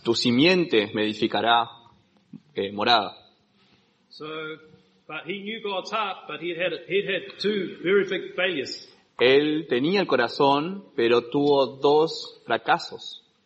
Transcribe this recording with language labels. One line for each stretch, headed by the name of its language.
Spanish: Tu simiente me edificará morada.
English: So, but he knew God's heart, but he had two very big failures.
Spanish: Él tenía el corazón, pero tuvo dos fracasos.